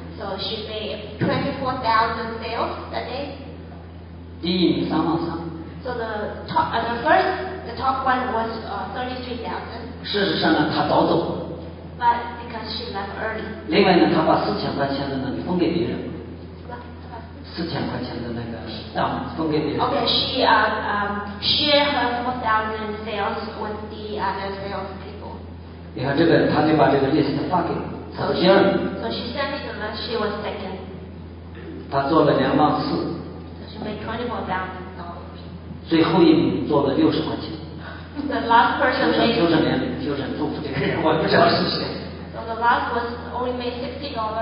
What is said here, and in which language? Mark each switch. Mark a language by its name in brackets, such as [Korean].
[English] So she made 24,000 sales that day. [Chinese] 第一名三万三。 [English] So the top one was 33,000. [Chinese] 事实上呢，他早走。 [English] But because she left early. [Chinese] 另外呢，他把四千块钱的呢分给别人。四千块钱的那个账分给别人。 [English] Okay, she shared her 4,000 sales with the other sales people. [Chinese] 你看这个，他就把这个 list 发给我，他是第二名。 [English] So she sent me the list. She was second. [Chinese] 他做了两万四。 [English] So she made 24,000. [Chinese] 最后一名做了六十块钱。 [English] The last person made. [Chinese] 就是祝福这个人，我不知道是谁。 [English] So the last was only made $60.